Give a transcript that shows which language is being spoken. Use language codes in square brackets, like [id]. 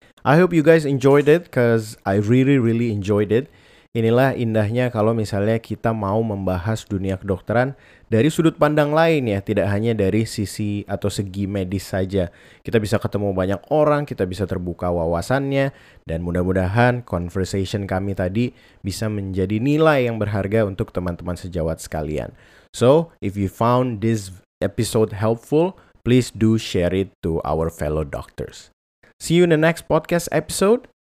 [en] I hope you guys enjoyed it, cause I really really enjoyed it. [id] Inilah indahnya kalau misalnya kita mau membahas dunia kedokteran dari sudut pandang lain ya, tidak hanya dari sisi atau segi medis saja. Kita bisa ketemu banyak orang, kita bisa terbuka wawasannya, dan mudah-mudahan conversation kami tadi bisa menjadi nilai yang berharga untuk teman-teman sejawat sekalian. [en] So, if you found this episode helpful, please do share it to our fellow doctors. See you in the next podcast episode.